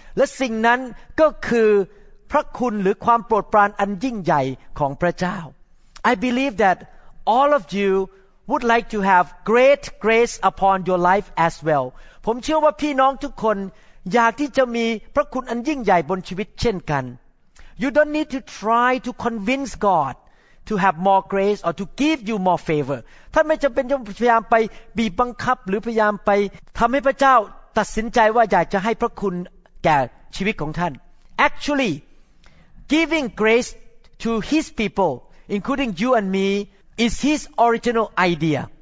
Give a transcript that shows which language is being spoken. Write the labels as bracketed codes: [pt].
[th] และสิ่งนั้นก็คือพระคุณหรือความโปรดปรานอันยิ่งใหญ่ของพระเจ้า [en] I believe that all of you would like to have great grace upon your life as well. [th] ผมเชื่อว่าพี่น้องทุกคนอยากที่จะมีพระคุณอันยิ่งใหญ่บนชีวิตเช่นกัน [en] You don't need to try to convince God. To have more grace or to give you more favor. [th] ท่านไม่จำเป็นต้องพยายามไปบีบบังคับหรือพยายามไปทำให้พระเจ้าตัดสินใจว่าอยากจะให้พระคุณแก่ชีวิตของท่าน [en] Actually, giving grace to His people, including you and me, is His original idea.